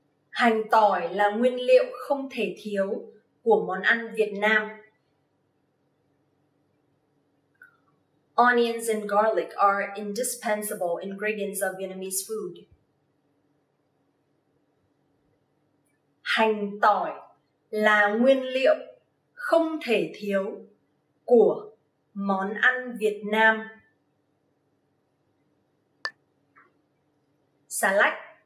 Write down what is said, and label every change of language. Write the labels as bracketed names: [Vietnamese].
[Vietnamese] Hành tỏi là nguyên liệu không thể thiếu của món ăn Việt Nam. [English] Onions and garlic are indispensable ingredients of Vietnamese food. [Vietnamese] Hành tỏi là nguyên liệu không thể thiếu của món ăn Việt Nam. Xà lách.